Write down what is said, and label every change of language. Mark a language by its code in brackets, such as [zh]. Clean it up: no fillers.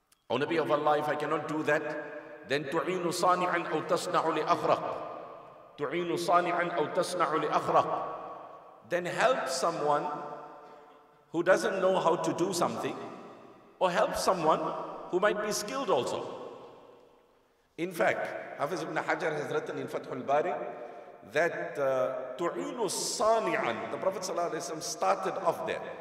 [en] O Nabi of Allah, if I cannot do that, then [ar] تُعِينُ صَانِعًا أَوْ تَصْنَعُ لِأَخْرَقٍ. تُعِينُ صَانِعًا أَوْ تَصْنَعُ لِأَخْرَقٍ. [en] Then help someone who doesn't know how to do something, or help someone who might be skilled also. In fact, Hafiz ibn Hajar has written in Fathul Bari that [ar] تُعِينُ صَانِعًا, [en] the Prophet ﷺ started off there.